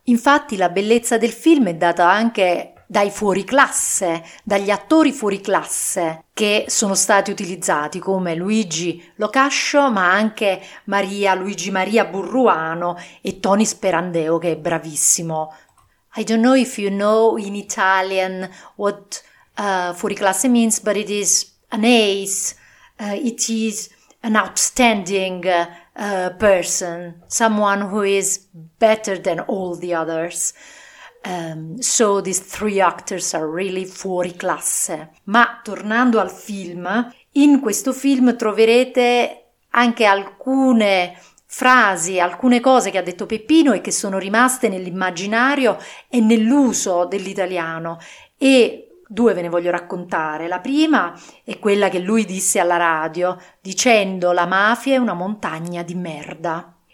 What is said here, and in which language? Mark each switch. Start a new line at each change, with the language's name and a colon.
Italian: Infatti, la bellezza del film è data anche dai fuoriclasse, dagli attori fuoriclasse che sono stati utilizzati, come Luigi Locascio, ma anche Luigi Maria Burruano e Tony Sperandeo, che è bravissimo.
English: I don't know if you know in Italian what fuoriclasse means, but it is an ace, it is an outstanding person, someone who is better than all the others. So these three actors are really fuori classe.
Italian: Ma tornando al film, in questo film troverete anche alcune frasi, alcune cose che ha detto Peppino e che sono rimaste nell'immaginario e nell'uso dell'italiano. E due ve ne voglio raccontare. La prima è quella che lui disse alla radio, dicendo: "La mafia è una montagna di merda."